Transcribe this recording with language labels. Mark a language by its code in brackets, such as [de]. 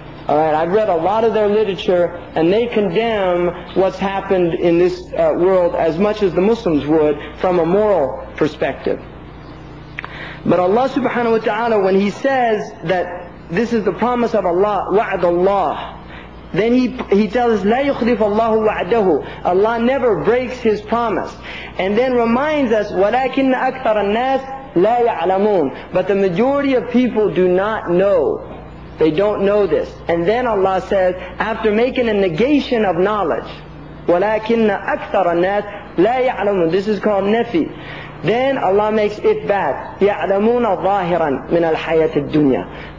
[en] All right, I've read a lot of their literature, and they condemn what's happened in this world as much as the Muslims would from a moral perspective. But Allah subhanahu wa ta'ala, when He says that this is the promise of Allah, wa'ad Allah, then he tells us, [ar] لَا يُخْلِفَ اللَّهُ وَعْدَهُ. [en] Allah never breaks His promise. And then reminds us, [ar] وَلَكِنَّ أَكْثَرَ النَّاسِ لَا يَعْلَمُونَ. [en] But the majority of people do not know. They don't know this. And then Allah says, after making a negation of knowledge, [ar] وَلَكِنَّ أَكْثَرَ النَّاسِ لَا يَعْلَمُونَ. [en] This is called nafi. Then Allah makes it bad. [ar] يَعْلَمُونَ ظَاهِرًا مِنَ الْحَيَاةِ الدُّنْيَا.